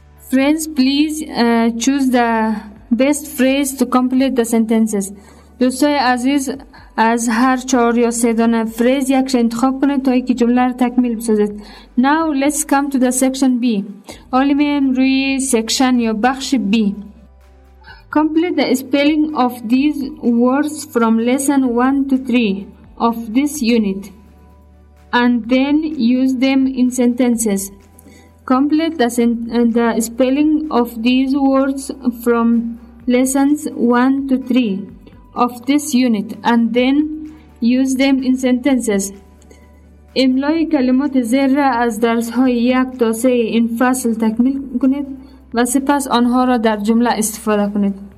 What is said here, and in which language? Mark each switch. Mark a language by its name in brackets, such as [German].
[English] Friends, please choose the best phrase to complete the sentences. [Persian] دوستای عزیز از هر چهار یا سه دانه فریز یک انتخاب کنید تا اینکه جمله را تکمیل بسازید. [English] Now let's come to the section B. [Persian] اولی میام روی سیکشن یا بخش B. [English] Complete the spelling of these words from lesson 1 to 3 of this unit and then use them in sentences. Complete the spelling of these words from lessons 1 to 3 of this unit and then use them in sentences. [Persian] املای کلمات زیر را از درس های 1 تا 3 این فصل تکمیل کنید و سپس آنها را در جمله استفاده کنید.